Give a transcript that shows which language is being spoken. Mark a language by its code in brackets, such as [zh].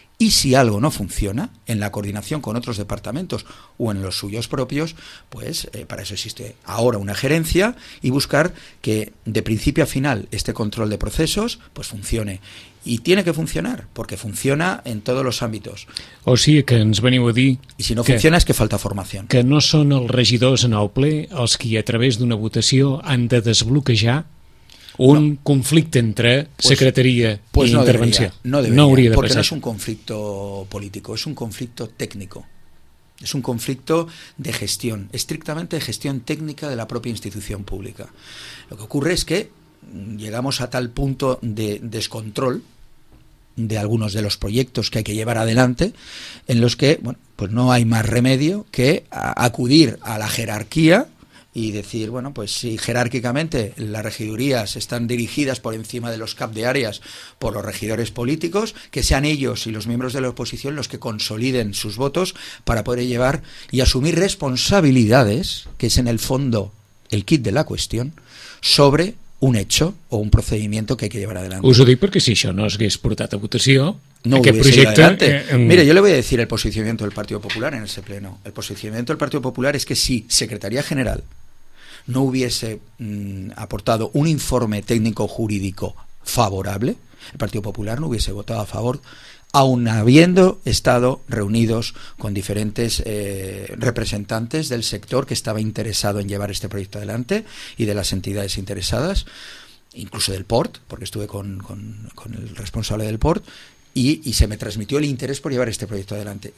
[es] Y si algo no funciona en la coordinación con otros departamentos o en los suyos propios, pues para eso existe ahora una gerencia, y buscar que de principio a final este control de procesos pues funcione. Y tiene que funcionar, porque funciona en todos los ámbitos. [ca] O sigui que ens veniu a dir... I si no funciona és que falta formació. Que no són els regidors en el ple els qui a través d'una votació han de desbloquejar un conflicte entre secretaria i intervenció. [es] No debería, porque no es un conflicto político, es un conflicto técnico. Es un conflicto de gestión, estrictamente de gestión técnica de la propia institución pública. Lo que ocurre es que llegamos a tal punto de descontrol de algunos de los proyectos que hay que llevar adelante, en los que, bueno, pues no hay más remedio que acudir a la jerarquía y decir: bueno, pues si jerárquicamente las regidurías están dirigidas por encima de los CAP de áreas por los regidores políticos, que sean ellos y los miembros de la oposición los que consoliden sus votos para poder llevar y asumir responsabilidades, que es en el fondo el quid de la cuestión, sobre un hecho o un procedimiento que hay que llevar adelante. [ca] Us ho dic perquè si això no s'hagués portat a votació, no aquest projecte... [es] Mira, yo le voy a decir el posicionamiento del Partido Popular en ese pleno. El posicionamiento del Partido Popular es que si Secretaría General no hubiese aportado un informe técnico jurídico favorable, el Partido Popular no hubiese votado a favor, aun habiendo estado reunidos con diferentes representantes del sector que estaba interesado en llevar este proyecto adelante y de las entidades interesadas, incluso del Port, porque estuve con el responsable del Port, y se me transmitió el interés por llevar este proyecto adelante.